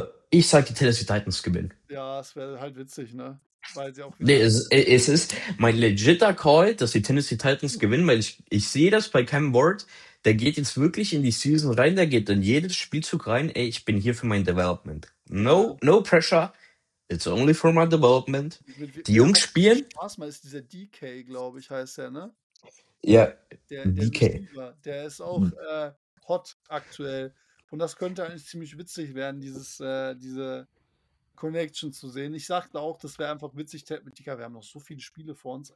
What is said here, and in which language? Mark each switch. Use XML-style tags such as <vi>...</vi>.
<de>Ich sag, die Tennessee Titans gewinnen. Ja, es wäre halt witzig, ne? Weil sie auch. Es ist mein legitter Call, dass die Tennessee Titans gewinnen, weil ich sehe das bei Cam Ward. Der geht jetzt wirklich in die Season rein, der geht in jedes Spielzug rein. Ey, ich bin hier für mein Development.</de> <en>No pressure. It's only for my development.</en> <de>Die Jungs spielen. Spaß mal, ist dieser DK, glaube ich, heißt der, ne? Ja. Der DK. Der ist auch hot aktuell. Und das könnte eigentlich ziemlich witzig werden, diese Connection zu sehen. Ich sagte auch, das wäre einfach witzig, mit Dicker, wir haben noch so viele Spiele vor uns.</de>